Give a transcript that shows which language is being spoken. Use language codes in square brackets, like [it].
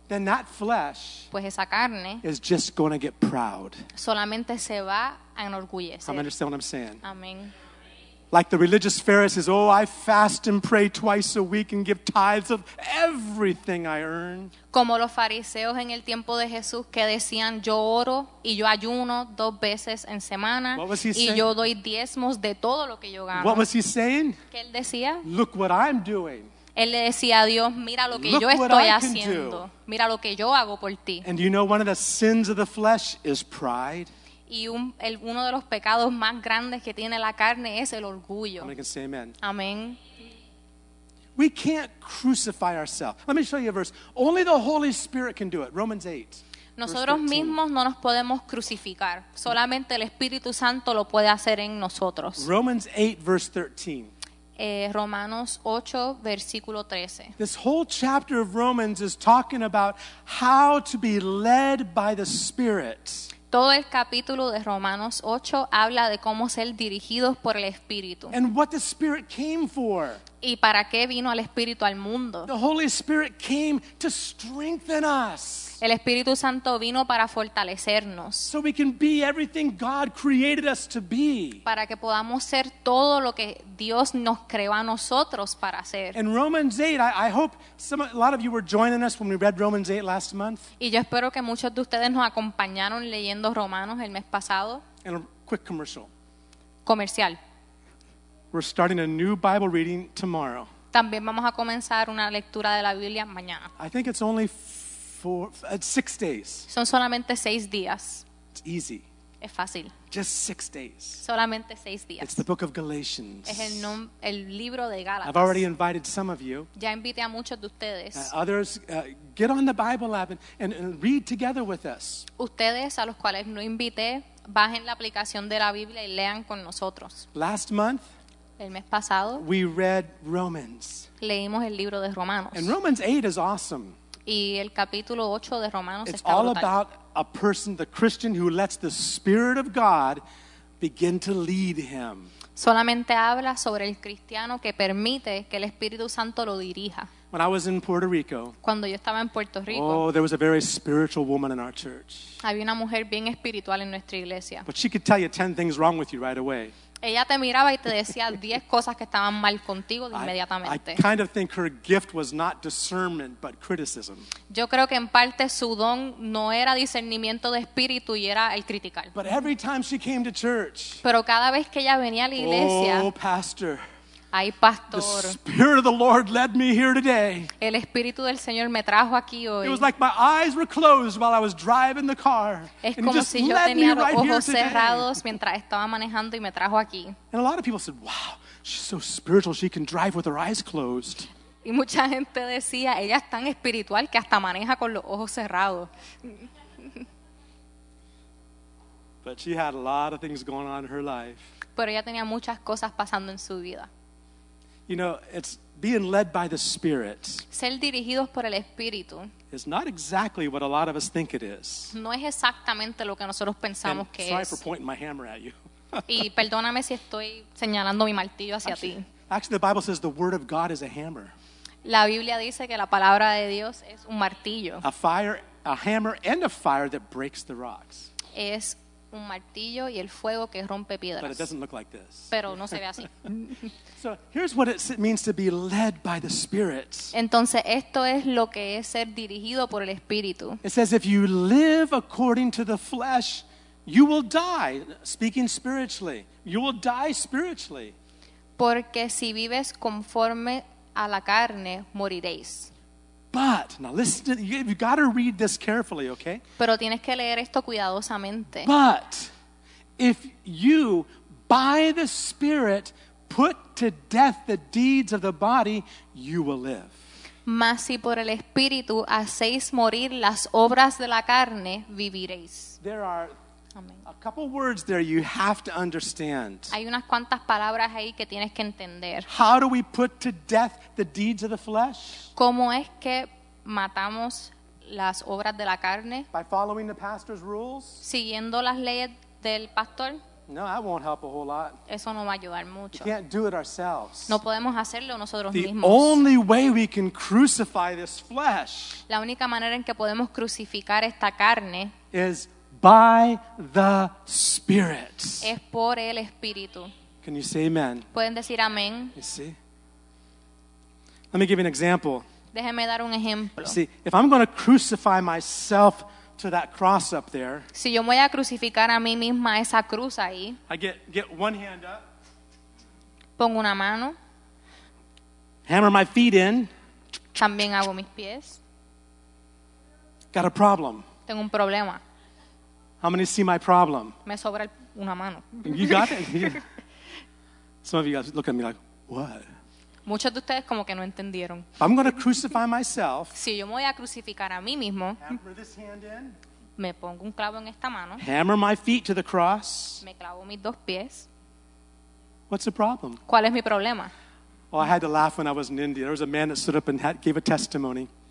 [en] then that flesh, [es] pues esa carne, [en] is just going to get proud. [es] Solamente se va a enorgullecer. [en] I'm understand what I'm saying. Amen. Like the religious Pharisees, oh, I fast and pray twice a week and give tithes of everything I earn. [es] Como los fariseos en el tiempo de Jesús que decían, yo oro y yo ayuno dos veces en semana y yo doy diezmos de todo lo que yo gano. [en] What was he saying? [es] ¿Qué él decía? [en] Look what I'm doing. [es] Él le decía a Dios, mira lo que yo estoy haciendo. Mira lo que yo hago por ti. [en] And you know, one of the sins of the flesh is pride. [es] Y uno de los pecados más grandes que tiene la carne es el orgullo. Amén. [en] We can't crucify ourselves. Let me show you a verse. Only the Holy Spirit can do it. Romans 8. [es] Nosotros mismos no nos podemos crucificar. Solamente el Espíritu Santo lo puede hacer en nosotros. [en] Romans 8, verse 13. [es] Romanos 8, versículo 13. [en] This whole chapter of Romans is talking about how to be led by the Spirit. [es] Todo el capítulo de Romanos 8 habla de cómo ser dirigidos por el Espíritu. [en] And what the Spirit came for. [es] ¿Y para qué vino el Espíritu al mundo? [en] The Holy Spirit came to strengthen us. [es] El Espíritu Santo vino para fortalecernos. [en] So we can be everything God created us to be. [es] Para que podamos ser todo lo que Dios nos creó a nosotros para ser. [en] In Romans 8, I hope a lot of you were joining us when we read Romans 8 last month. [es] Y yo espero que muchos de ustedes nos acompañaron leyendo Romanos el mes pasado. [en] And a quick commercial. [es] Comercial. [en] We're starting a new Bible reading tomorrow. [es] También vamos a comenzar una lectura de la Biblia mañana. [en] I think it's only 6 days. [es] Son solamente 6 días. [en] It's easy. [es] Es fácil. [en] Just 6 days. [es] Solamente 6 días. [en] It's the book of Galatians. [es] Es el libro de Gálatas. [en] I've already invited some of you. [es] Ya invité a muchos de ustedes. [en] Others, get on the Bible app and read together with us. [es] Ustedes a los cuales no invité, bajen la aplicación de la Biblia y lean con nosotros. [en] Last month, [es] el mes pasado, [en] we read Romans. [es] Leímos el libro de Romanos. [en] And Romans 8 is awesome. [es] Y el capítulo 8 de Romanos [en] it's [es] está brutal. [en] All about a person, the Christian, who lets the Spirit of God begin to lead him. [es] Solamente habla sobre el cristiano que permite que el Espíritu Santo lo dirija. [en] When I was in Puerto Rico, [es] cuando yo estaba en Puerto Rico, [en] oh, there was a very spiritual woman in our church. [es] Había una mujer bien espiritual en nuestra iglesia. [en] But she could tell you 10 things wrong with you right away. [es] Ella te miraba y te decía 10 cosas que estaban mal contigo inmediatamente. [en] I kind of think her gift was not discernment, but criticism. [es] Yo creo que en parte su don no era discernimiento de espíritu y era el criticar. [en] But every time she came to church, [es] pero cada vez que ella venía a la iglesia, [en] oh, pastor, [es] ay, pastor, [en] the Spirit of the Lord led me here today. [es] El Espíritu del Señor me trajo aquí hoy. [en] It was like my eyes were closed while I was driving the car. [es] Es como si yo tenía los ojos cerrados mientras estaba manejando y me trajo aquí. [en] And a lot of people said, wow, she's so spiritual, she can drive with her eyes closed. [es] Y mucha gente decía, ella es tan espiritual que hasta maneja con los ojos cerrados. [en] But she had a lot of things going on in her life. [es] Pero ella tenía muchas cosas pasando en su vida. [en] You know, it's being led by the Spirit. [es] Ser dirigidos por el Espíritu. [en] It's not exactly what a lot of us think it is. [es] No es exactamente lo que nosotros pensamos que es. [en] Sorry for pointing my hammer at you. [es] Y perdóname si estoy señalando mi martillo hacia ti. [en] Actually, the Bible says the Word of God is a hammer. [es] La Biblia dice que la palabra de Dios es un martillo. [en] A fire, a hammer, and a fire that breaks the rocks. [es] Es un martillo y el fuego que rompe piedras. [en] But it doesn't look like this. [es] Pero no se ve así. [en] So here's what it means to be led by the Spirit. [es] Entonces esto es lo que es ser dirigido por el Espíritu. [en] It says if you live according to the flesh, you will die, speaking spiritually. You will die spiritually. [es] Porque si vives conforme a la carne, moriréis. [en] But, now listen, you've got to read this carefully, okay? [es] Pero tienes que leer esto cuidadosamente. [en] But, if you, by the Spirit, put to death the deeds of the body, you will live. [es] Mas si por el Espíritu hacéis morir las obras de la carne, viviréis. [en] There are a couple words there you have to understand. [es] Hay unas cuantas palabras ahí que tienes que entender. [en] How do we put to death the deeds of the flesh? [es] ¿Cómo es que matamos las obras de la carne. [en] By following the pastor's rules. [es] Siguiendo las leyes del pastor. [en] No, that won't help a whole lot. [es] Eso no va a ayudar mucho. [en] We can't do it ourselves. [es] No podemos hacerlo nosotros [en] the [es] mismos. [en] The only way we can crucify this flesh. [es] La única manera en que podemos crucificar esta carne. [en] Is by the Spirit. [es] Es por el Espíritu. [en] Can you say amen? [es] Pueden decir amén. [en] You see? Let me give you an example. [es] Déjeme dar un ejemplo. [en] See, if I'm going to crucify myself to that cross up there, [es] si yo voy a crucificar a mí misma esa cruz ahí, [en] I get one hand up. [es] Pongo una mano. [en] Hammer my feet in. [es] También hago mis pies. [en] Got a problem. [es] Tengo un problema. [en] How many see my problem? [es] Me sobra una mano. [en] You got it. Some of you guys look at me like, what? [es] Muchos de ustedes como que no entendieron. [en] I'm going to crucify myself. [es] Si yo me voy a crucificar a mí mismo. [en] Hammer this hand in. [es] Me pongo un clavo en esta mano. [en] Hammer my feet to the cross. [es] Me clavo mis dos pies. [en] What's the problem? [es] ¿Cuál es mi problema? [en] Oh, I had to laugh when I was in India. There was a man that stood up and gave a testimony.